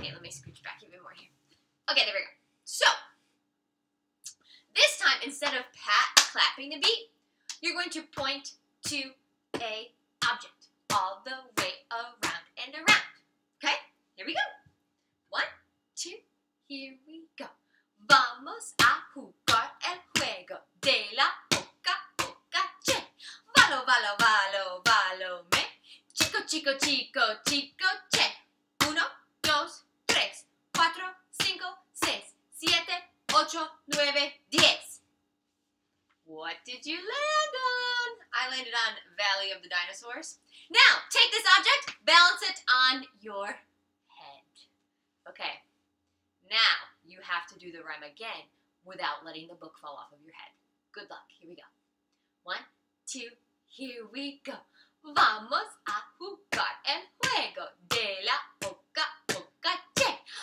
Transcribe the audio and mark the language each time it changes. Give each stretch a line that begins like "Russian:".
English: Okay, let me scooch back even more here. Okay, there we go. So, this time, instead of pat clapping the beat, you're going to point to a object all the way around and around. Okay, here we go. One, two, here we go.
Spanish: Vamos a jugar el juego de la boca, boca, che. Valo, valo, valo, valo, me. Chico, chico, chico, chico, che. Uno, dos, tres, cuatro, cinco, seis, siete, ocho, nueve, diez.
English: What did you land on? I landed on Valley of the Dinosaurs. Now, take this object, balance it on your head. Okay. Now, you have to do the rhyme again without letting the book fall off of your head. Good luck. Here we go. One, two, here we go.
Spanish: Vamos a jugar el juego de la boca, boca, che.